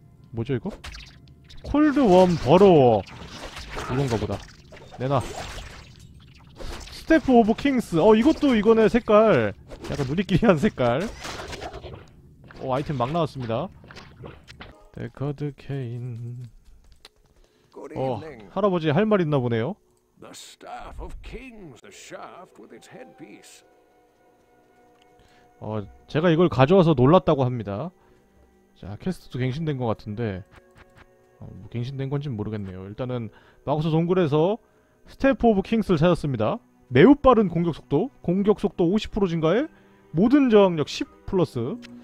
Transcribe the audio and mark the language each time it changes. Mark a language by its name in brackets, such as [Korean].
[Korean] 뭐죠 이거? 콜드웜 버러워 이건가 보다. 내놔. 스태프 오브 킹스. 이것도 이거네. 색깔 약간 누리끼리한 색깔. 아이템 막 나왔습니다. 데커드 케인. 할아버지 할 말 있나 보네요. [English] The staff of kings, the shaft with its headpiece. [Korean] 제가 이걸 가져와서 놀랐다고 합니다. 자, 퀘스트도 갱신된 것 같은데 뭐 갱신된 건지는 모르겠네요. 일단은 마거트 동굴에서 스태프 오브 킹스를 찾았습니다. 매우 빠른 공격 속도, 공격 속도 50% 증가에 모든 저항력 10+.